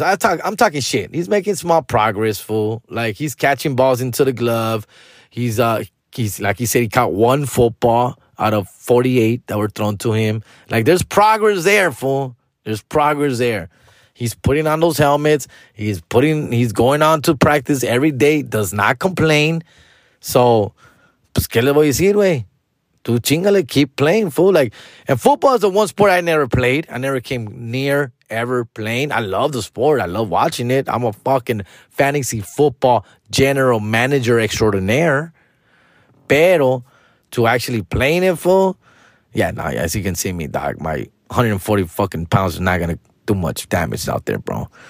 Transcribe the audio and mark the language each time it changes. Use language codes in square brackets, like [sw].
[en] I'm talking shit. He's making small progress, fool. Like, he's catching balls into the glove. He's like he said, he caught one football out of 48 that were thrown to him. Like, there's progress there, fool. There's progress there. He's putting on those helmets. He's going on to practice every day. Does not complain. [es] So, pues, ¿qué le voy a decir, güey? Tú chingale, [en] keep playing, fool. Like, and football is the one sport I never played. I never came near ever playing. I love the sport. I love watching it. I'm a fucking fantasy football general manager extraordinaire. Pero, to actually playing it, fool. Yeah, no, as you can see me, dog, my 140 fucking pounds is not going to do much damage out there, bro.